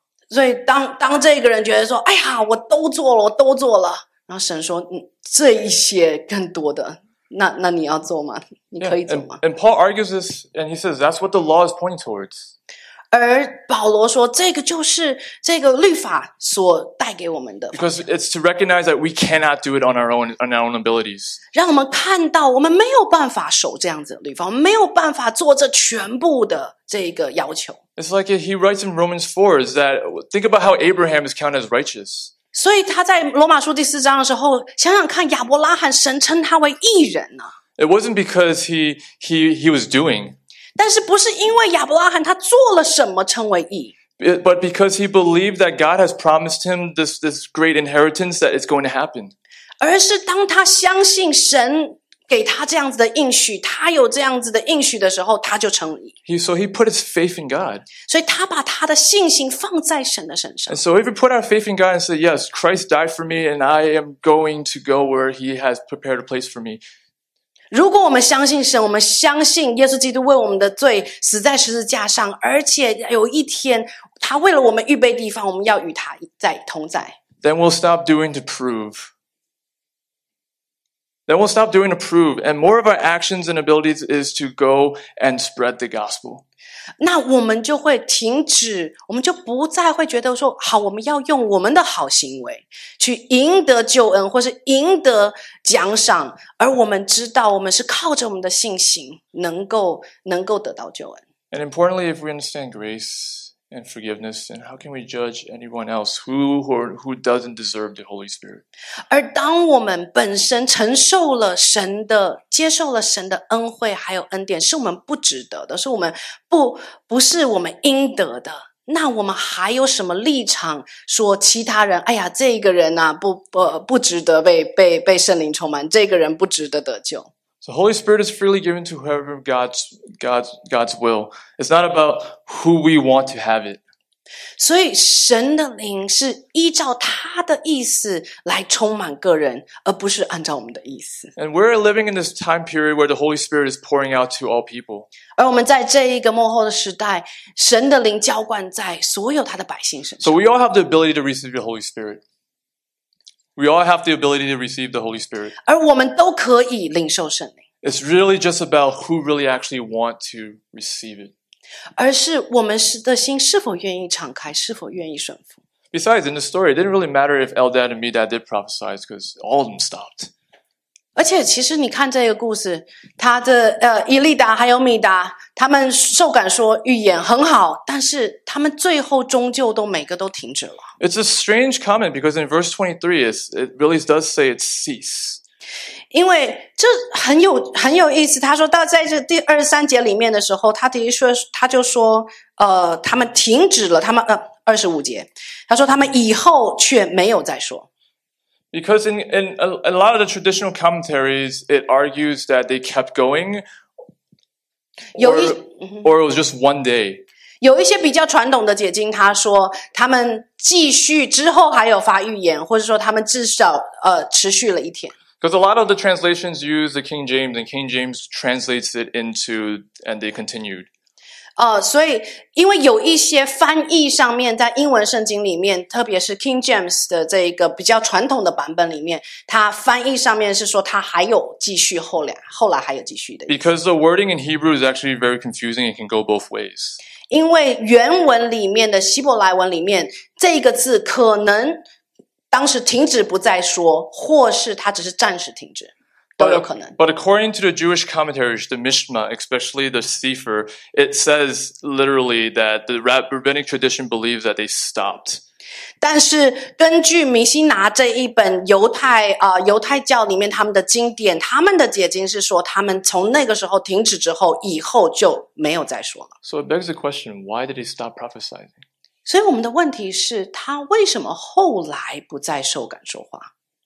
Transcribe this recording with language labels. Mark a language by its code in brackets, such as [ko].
[zh] 所以当这个人觉得说哎呀我都做了我都做了然后神说这一些更多的那你要做吗你可以做吗 [en] and Paul argues this, and he says, that's what the law is pointing towards. [zh] 而保罗说这个就是这个律法所带给我们的。 [en] Because it's to recognize that we cannot do it on our own abilities. [zh] 让我们看到我们没有办法守这样子的律法我们没有办法做这全部的。这个要求。 [en] It's like he writes in Romans 4 is that think about how Abraham is counted as righteous. [zh] 所以他在罗马书第四章的时候想想看亚伯拉罕神称他为义人啊。 [en] It wasn't because he was doing. [zh] 但是不是因为亚伯拉罕他做了什么称为义。 [en] But because he believed that God has promised him this great inheritance that it's going to happen. [zh] 而是当他相信神给他这样子的应许，他有这样子的应许的时候，他就成义。 [en] So he put his faith in God. [zh] 所以他把他的信心放在神的身上。 [en] And so if we put our faith in God and say, yes, Christ died for me and I am going to go where he has prepared a place for me. [zh] 如果我们相信神，我们相信耶稣基督为我们的罪死在十字架上，而且有一天他为了我们预备地方，我们要与他在同在。 [en] Then we'll stop doing to prove. Then we'll stop doing to prove, and more of our actions and abilities is to go and spread the gospel. [zh] 那我们就会停止，我们就不再会觉得说，好，我们要用我们的好行为去赢得救恩，或是赢得奖赏，而我们知道我们是靠着我们的信心能够得到救恩。 [en] And importantly, if we understand grace and forgiveness, then how can we judge anyone else who doesn't deserve the Holy Spirit? [zh] 而当我们本身承受了神的接受了神的恩惠还有恩典是我们不值得的是我们不是我们应得的那我们还有什么立场说其他人哎呀这个人啊不值得被圣灵充满这个人不值得得救。 [en] The Holy Spirit is freely given to whoever God's will. It's not about who we want to have it. [zh] 所以神的灵是依照他的意思来充满个人，而不是按照我们的意思。 [en] And we're living in this time period where the Holy Spirit is pouring out to all people. [zh] 而我们在这一个末后的时代，神的灵浇灌在所有他的百姓身上。 [en] So we all have the ability to receive the Holy Spirit. We all have the ability to receive the Holy Spirit. [zh] 而我们都可以领受圣灵。 [en] It's really just about who really actually want to receive it. [zh] 而是我们的心是否愿意敞开，是否愿意顺服。 [en] Besides, in the story, it didn't really matter if Eldad and Medad did prophesy because all of them stopped. [zh] 而且其实你看这个故事，他的伊利达还有米达，他们受感说预言很好，但是他们最后终究都每个都停止了。 [en] It's a strange comment because in verse 23, it really does say it ceases. [zh] 因为这很有意思，他说到在这第二十三节里面的时候，他的确他就说，他们停止了，他们二十五节，他说他们以后却没有再说。 [en] Because in a lot of the traditional commentaries, it argues that they kept going, or it was just one day. [zh] 有一些比较传统的解经，他说他们继续之后还有发预言，或者说他们至少持续了一天。 [en] Because a lot of the translations use the King James, and King James translates it into, and they continued. [zh] 所以因为有一些翻译上面，在英文圣经里面，特别是 King James 的这个比较传统的版本里面，它翻译上面是说它还有继续后来还有继续的。 [en] Because the wording in Hebrew is actually very confusing, it can go both ways. [zh] 因为原文里面的希伯来文里面，这个字可能当时停止不再说，或是他只是暂时停止，都有可能。 [en] But according to the Jewish commentaries, the Mishnah, especially the Sefer, it says literally that the rabbinic tradition believes that they stopped. [zh] 但是根据弥西拿这一本犹太教里面他们的经典，他们的解经是说，他们从那个时候停止之后，以后就没有再说了。 [en] So it begs the question, why did he stop prophesying? [zh] 所以我们的问题是，他为什么后来不再受感说话